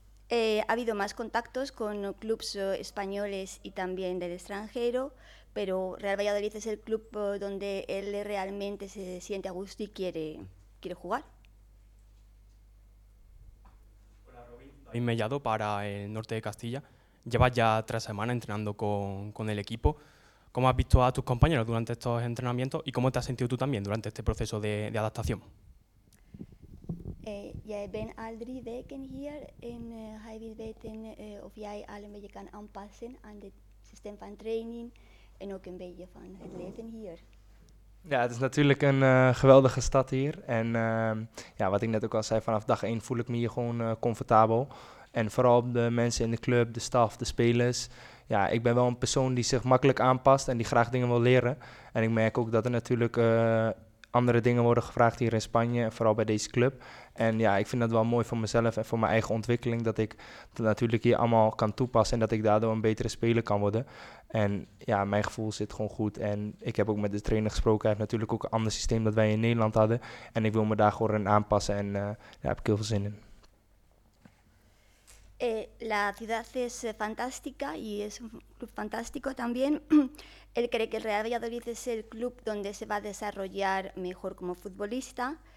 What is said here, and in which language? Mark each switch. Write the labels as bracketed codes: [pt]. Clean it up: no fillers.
[es] Ha habido más contactos con clubs españoles y también del extranjero, pero Real Valladolid es el club donde él realmente se siente a gusto y quiere jugar. Hola, Robin. David Mellado para el Norte de Castilla. Llevas ya 3 semanas entrenando con el equipo. ¿Cómo has visto a tus compañeros durante estos entrenamientos y cómo te has sentido tú también durante este proceso de adaptación? [nl] Jij bent al 3 weken hier en hij wil weten of jij al een beetje kan aanpassen aan het systeem van training en ook een beetje van het leven hier. Ja, het is natuurlijk een geweldige stad hier en wat ik net ook al zei, vanaf dag 1 voel ik me hier gewoon comfortabel. En vooral de mensen in de club, de staf, de spelers. Ja, ik ben wel een persoon die zich makkelijk aanpast en die graag dingen wil leren. En ik merk ook dat er natuurlijk andere dingen worden gevraagd hier in Spanje, vooral bij deze club. En ja, ik vind dat wel mooi voor mezelf en voor mijn eigen ontwikkeling, dat ik dat natuurlijk hier allemaal kan toepassen en dat ik daardoor een betere speler kan worden. En ja, mijn gevoel zit gewoon goed en ik heb ook met de trainer gesproken. Hij heeft natuurlijk ook een ander systeem dat wij in Nederland hadden en ik wil me daar gewoon aanpassen en daar heb ik heel veel zin in. [es] La ciudad es fantástica y es un club fantástico también. Él cree que el Real Valladolid es el club donde se va a desarrollar mejor como futbolista.